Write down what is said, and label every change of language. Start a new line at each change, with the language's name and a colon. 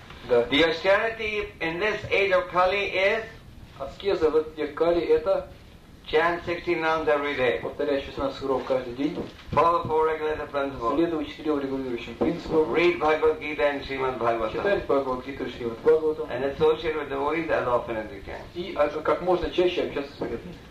English: The austerity in this age of Kali is.
Russian: Аскеза в этой Кали это.
English: Chant 16 rounds every day.
Russian: Повторяя 16 кругов каждый день.
English: Follow four regulative principles.
Russian: Следуя четырем регулирующим принципам.
English: Read Bhagavad Gita and Shrimad Bhagavatam.
Russian: Читать Бхагавад Гиту и Шримад Бхагаватам.
English: And associate with devotees as often as you can.
Russian: И как можно чаще общаться с преданными.